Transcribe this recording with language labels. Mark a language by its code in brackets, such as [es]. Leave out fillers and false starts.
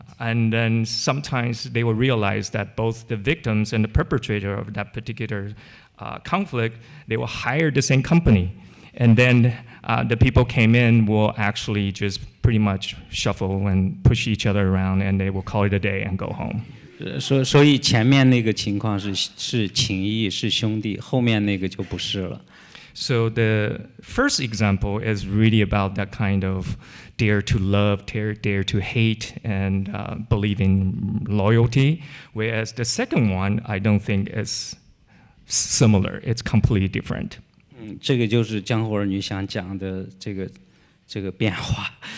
[en] And then sometimes they will realize that both the victims and the perpetrator of that particular conflict, they will hire the same company. And then the people came in will actually just pretty much shuffle and push each other around and they will call it a day and go home. [zh] 所以前面那个情况是情谊，是兄弟，后面那个就不是了。 [en] So the first example is really about that kind of dare to love, dare to hate, and believe in loyalty. Whereas the second one, I don't think is similar. It's completely different. [zh] 这个就是江湖儿女想讲的这个变化。